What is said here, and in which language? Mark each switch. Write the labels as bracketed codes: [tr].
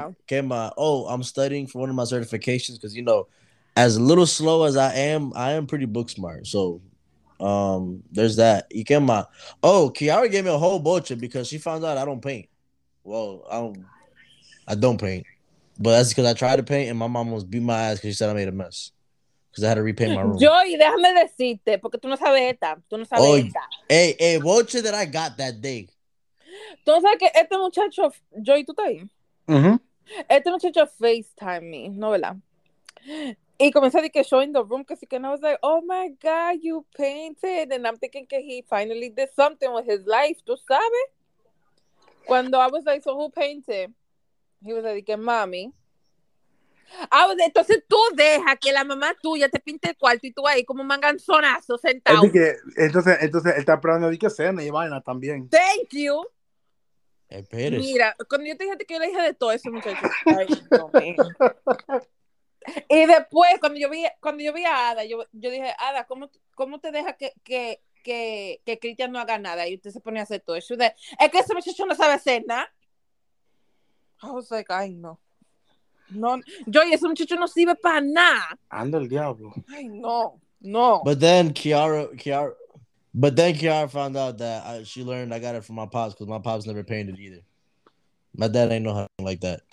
[en] I'm studying for one of my certifications because, you know, as little slow as I am pretty book smart. So... there's that. You can my Kiara gave me a whole bunch of because she found out I don't paint. Well, I don't paint, but that's because I tried to paint and my mom almost beat my ass because she said I made a mess because I had to repaint my room. [es] Joey, déjame decirte porque tú no sabes esta. [en] Hey, bunch that I got that day. [es] Entonces que este muchacho, Joey, tú estás ahí. Mm-hmm. Este muchacho FaceTime me, no, ¿verdad? Y comienza de que [en] showing the room, [es] que sí que, [en] and I was like, oh my God, you painted. And I'm thinking that he finally did something with his life, [es] tú sabes? [en] Cuando I was like, so who painted? He was like, mami. I was like, [es] entonces tú deja que la mamá tuya te pinte el cuarto y tú ahí como manganzonazo sentado. Así que, entonces él está probando de que cena y vaina también. [en] Thank you. [es] Pérez. Mira, cuando yo te dije que yo le dije de todo eso, muchachos. No, y después, cuando yo vi a Ada, yo dije, Ada, ¿cómo te deja que Cristian no haga nada? Y usted se pone a hacer todo eso. Es que ese muchacho no sabe hacer nada. [en] I was like, [es] ay, no. No, yo, y ese muchacho no sirve para nada. Anda el diablo. Ay, no, no. [en] But then Kiara. But then Kiara found out that she learned I got it from my pops because my pops never painted either. My dad ain't know how to like that.